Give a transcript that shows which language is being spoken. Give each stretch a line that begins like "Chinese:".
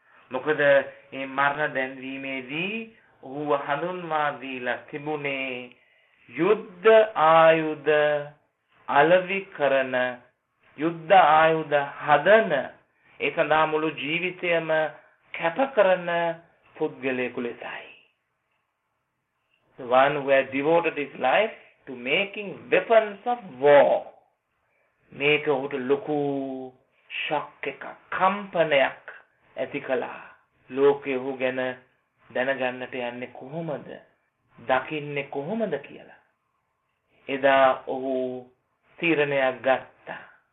Sinhala: මොකද ඒ මරණ දැන්වීමේදී ඔහුව හඳුන්වා දීලා තිබුණේ යුද්ධ ආයුධ අලවි කරන, යුද්ධ ආයුධ හදන, ඒ සඳහා මුළු ජීවිතයම කැප කරන පුද්ගලයෙකු ලෙසයි.
English: The one who has devoted his life to making weapons of war.
Sinhala: මේක ඔහුට ලොකු ෂොක් එකක්, කම්පනයක් ඇති කළා. ලෝකේ ඔහු ගැන දැනගන්නට යන්නේ කොහොමද? දකින්නේ කොහොමද කියලා. එදා ඔහු තීරණයක් ගත්තා.